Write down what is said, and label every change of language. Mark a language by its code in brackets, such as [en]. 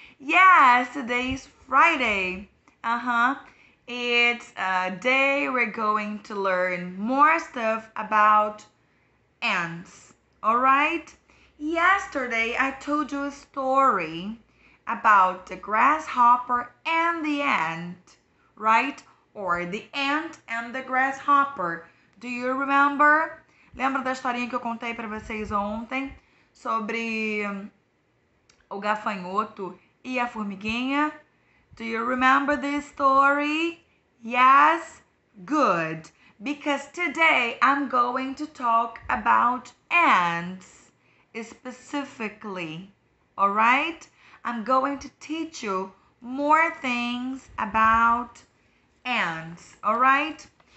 [en] Yes, today is Friday. It's a day we're going to learn more stuff about ants. All right? Yesterday, I told you a story about the grasshopper and the ant, right? Or the ant and the grasshopper. Do you remember? [pt] Lembra da historinha que eu contei para vocês ontem sobre o gafanhoto e a formiguinha? [en] Do you remember this story? Yes? Good. Because today I'm going to talk about ants specifically. All right? I'm going to teach you more things about ants. All right?